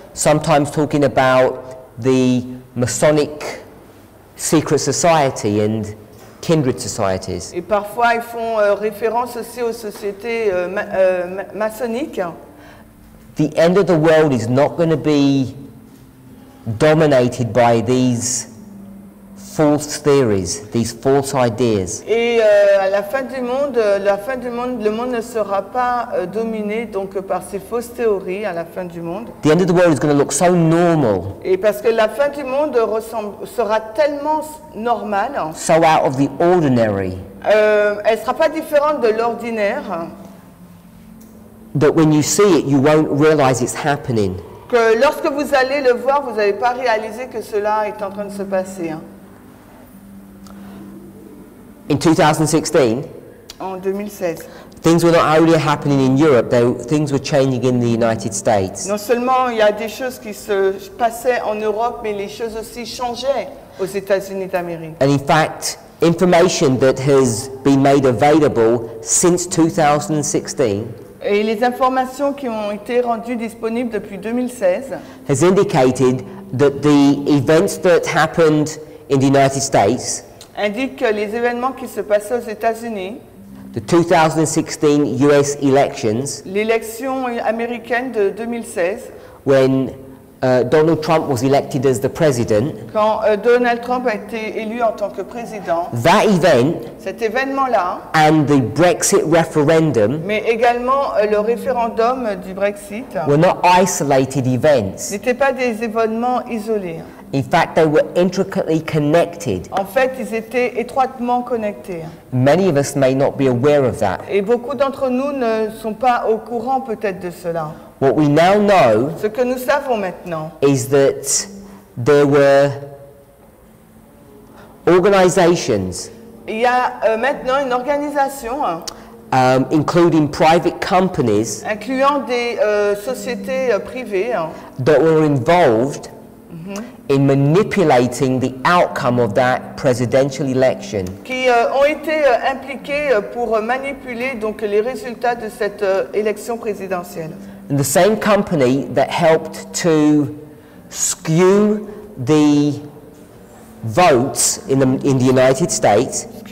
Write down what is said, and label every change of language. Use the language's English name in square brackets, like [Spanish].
[English] Sometimes talking about the Masonic secret society and kindred societies. [French] Et parfois ils font référence aussi aux sociétés maçonniques. [English] The end of the world is not going to be dominated by these false theories, these false ideas. [French] Et à la fin du monde, la fin du monde, le monde ne sera pas dominé donc par ces fausses théories à la fin du monde. [English] The end of the world is going to look so normal. [French] Et parce que la fin du monde sera tellement normale. [English] So out of the ordinary. [French] Elle sera pas différente de l'ordinaire. [English] That when you see it, you won't realize it's happening. [French] Que lorsque vous allez le voir, vous n'allez pas réaliser que cela est en train de se passer. Hein. [English] In 2016. [French] En 2016. [English] Things were not only happening in Europe, though things were changing in the United States. [French] Non seulement il y a des choses qui se passaient en Europe, mais les choses aussi changeaient aux États-Unis d'Amérique. [English] And in fact, information that has been made available since 2016. [French] Et les informations qui ont été rendues disponibles depuis 2016. [English] Has indicated that the events that happened in the United States. [French] Indique que les événements qui se passaient aux États-Unis. [English] The 2016 U.S. elections. [French] L'élection américaine de 2016. [English] When Donald Trump was elected as the president. [French] Quand Donald Trump a été élu en tant que président. [English] That event. [French] Cet événement-là. [English] And the Brexit referendum. [French] Mais également le référendum du Brexit. [English] Were not isolated events. [French] N'étaient pas des événements isolés. [English] In fact, they were intricately connected. [French] En fait, ils étaient étroitement connectés. [English] Many of us may not be aware of that. [French] Et beaucoup d'entre nous ne sont pas au courant peut-être de cela. [English] What we now know. [French] Ce que nous savons maintenant. [English] Is that there were organizations. [French] Il y a maintenant une organisation. [English] Including private companies. [French] Incluant des sociétés privées. [English] That were involved. Mm-hmm. In manipulating the outcome of that presidential election. [French] Qui ont été impliqués pour manipuler donc les résultats de cette élection présidentielle. [English] And the same company that helped to skew the votes in the United States.